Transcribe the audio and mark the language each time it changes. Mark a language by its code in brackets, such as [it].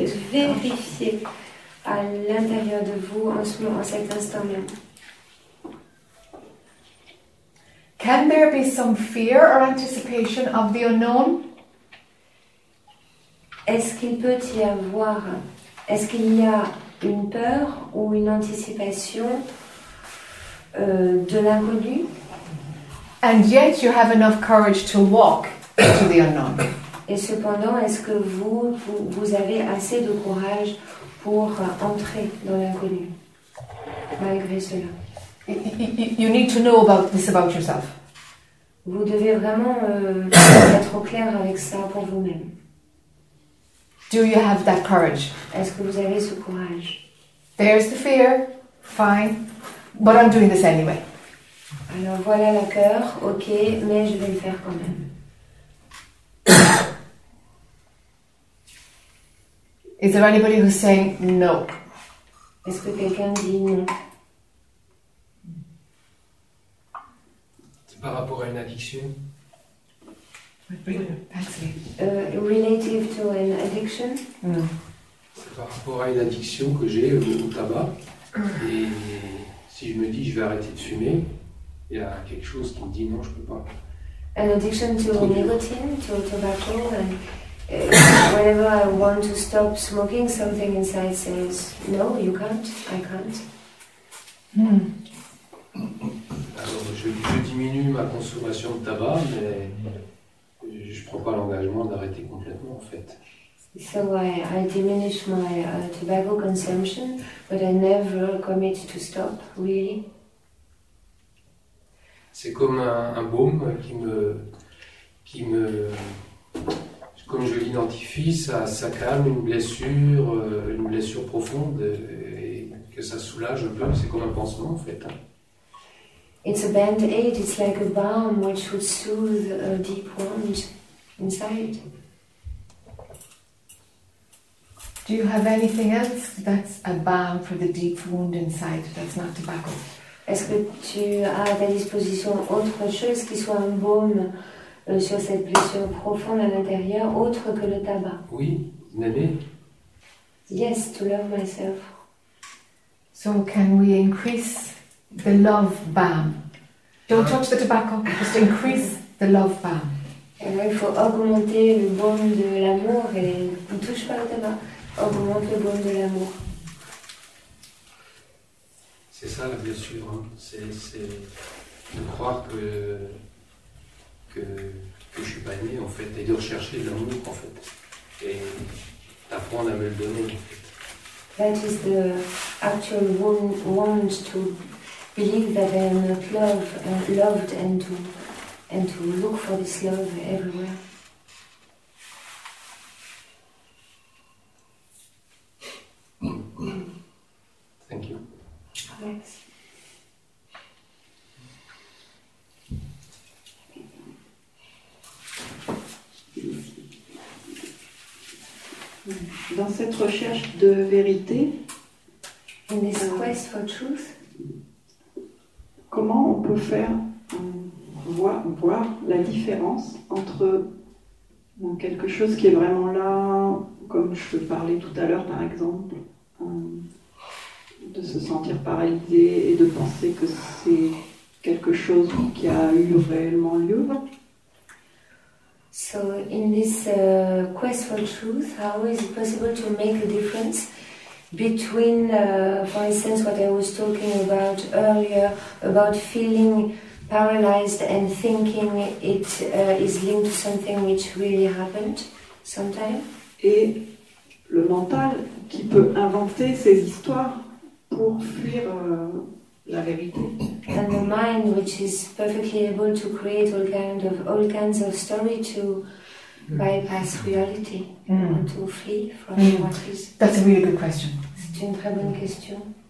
[fr] Vérifiez à l'intérieur de vous en ce moment, en cet instant même. [en] Can there be some fear or anticipation of the unknown? [fr] Est-ce qu'il y a une peur ou une anticipation de l'inconnu? [en] And yet you have enough courage to walk into the unknown. [fr] Et cependant, est-ce que vous avez assez de courage pour entrer dans l'inconnu, malgré cela? [en] You need to know about this about yourself. [fr] Vous devez vraiment être au clair avec ça pour vous-même. [en] Do you have that courage? [fr] Est-ce que vous avez ce courage? [en] There's the fear, fine, but I'm doing this anyway. [fr] Alors voilà la peur, ok, mais je vais le faire quand même. [en] Is there anybody who's saying no? [fr] Est-ce que quelqu'un dit non? C'est par rapport à une addiction? [en] Relative to an addiction? [fr] Non. C'est par rapport à une addiction que j'ai au tabac. Et si je me dis je vais arrêter de fumer, il y a quelque chose qui me dit non, je ne peux pas. [en] An addiction to nicotine, to tobacco, and... whenever I want to stop smoking, something inside says, no, you can't, I can't. [fr] Alors, je diminue ma consommation de tabac, mais je ne prends pas l'engagement d'arrêter complètement, en fait. [en] So I diminish my tobacco consumption, but I never commit to stop, really. [fr] C'est comme un baume qui me... Comme je l'identifie, ça calme une blessure profonde, et que ça soulage un peu. C'est comme un pansement, en fait. [en] It's a band-aid. It's like a balm which would soothe a deep wound inside. Do you have anything else that's a balm for the deep wound inside that's not tobacco? [fr] Est-ce que tu as à ta disposition autre chose qui soit un baume? Sur cette blessure profonde à l'intérieur, autre que le tabac. Oui, n'aimer. [en] Yes, to love myself. So can we increase the love balm? Don't touch the tobacco, just increase the love balm. [fr] Et il faut augmenter le baume de l'amour et ne touche pas le tabac. Augmente le baume de l'amour. C'est ça la blessure, hein. C'est de croire que... Que je suis pas aimé en fait, et de rechercher de l'amour en fait, et d'apprendre à me le donner en fait. [en] That is the actual want to believe that they are not loved and to look for this love everywhere. Thank you. Thanks. [fr] Dans cette recherche de vérité, [en] in this quest for truth, [fr] comment on peut faire voir la différence entre quelque chose qui est vraiment là, comme je te parlais tout à l'heure par exemple, de se sentir paralysé et de penser que c'est quelque chose qui a eu réellement lieu? [en] So in this quest for truth, how is it possible to make a difference between, for instance, what I was talking about earlier, about feeling paralyzed and thinking it is linked to something which really happened sometime? [fr] Et le mental qui peut inventer ces histoires pour fuir la vérité. [en] And the mind, which is perfectly able to create all kinds of story to bypass reality and to flee from what is. That's a really good question. [fr] C'est une très bonne question.